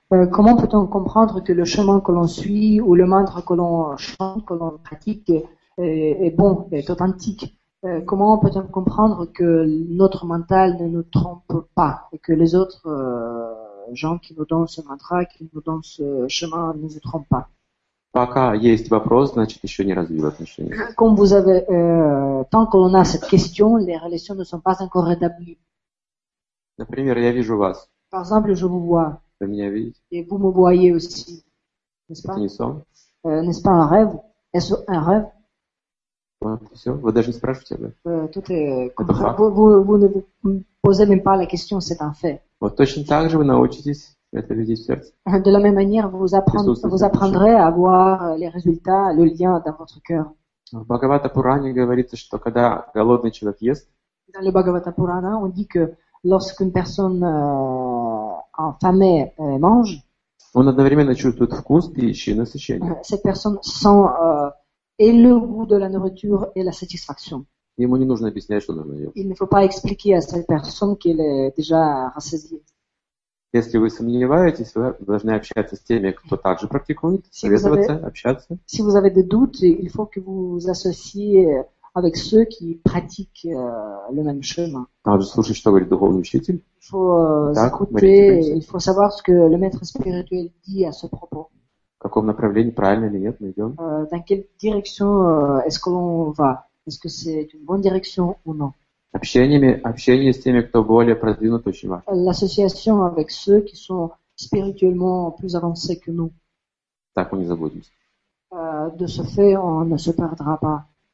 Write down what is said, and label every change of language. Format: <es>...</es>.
<fr>Comment peut-on comprendre que le chemin que l'on suit ou le mantra que l'on chante, que l'on pratique est bon, est authentique? Comment peut-on comprendre que notre mental ne nous trompe pas et que les autres gens qui nous donnent ce mantra, qui nous donnent ce chemin, ne nous trompent pas?</fr> <ru>Пока есть вопрос, значит, еще не развил отношения.</ru> <fr>Comme vous avez, tant que l'on a cette question, les relations ne sont pas encore établies.</fr> <ru>Например, я вижу вас.</ru> <fr>Par exemple, je vous vois.</fr> <ru>Вы меня видите?</ru> <fr>Et vous me voyez aussi. N'est-ce pas?</fr> <ru>Это не сон?</ru> <fr>N'est-ce pas un rêve? Est-ce un rêve?</fr> <ru>Вот, все. Вы даже не спрашиваете об этом.</ru> <fr>Vous ne posez même pas la question, c'est un fait.</fr> <ru>Вот точно так же вы научитесь. Это видеть в сердце.</ru> <fr>De la même manière, vous apprendrez à voir les résultats, le lien dans votre cœur.</fr> <ru>В Бхагавата Пуране говорится, что когда голодный человек ест,</ru> <fr>dans le Bhagavata Purana, on dit que lorsqu'une personne enfamée mange,</fr> <ru>он одновременно чувствует вкус пищи и насыщение.</ru> <fr>Cette personne sent et le goût de la nourriture et la satisfaction.</fr> <ru>Ему не нужно объяснять, что нужно ее.</ru> <fr>Il ne faut pas expliquer à cette personne qu'elle est déjà rassasiée.</fr> <ru>Если вы сомневаетесь, вы должны общаться с теми, кто также практикует, советоваться, общаться.</ru> <fr>Si vous avez des doutes, il faut que vous associez avec ceux qui pratiquent le même chemin.</fr> <ru>Надо слушать, что говорит духовный учитель.</ru> <fr>Il faut savoir ce que le maître spirituel dit à ce propos.</fr> <ru>В каком направлении, правильно или нет, мы идем?</ru> <fr>Dans quelle direction est-ce que l'on va? Est-ce que c'est une bonne direction ou non?</fr> <ru>Общение с теми, кто более продвинут, очень важно.</ru> <fr>L'association avec ceux qui sont spirituellement plus avancés que nous.</fr> <ru>Так мы не заблудимся.</ru> <fr>De ce fait, on ne se perdra pas.</fr>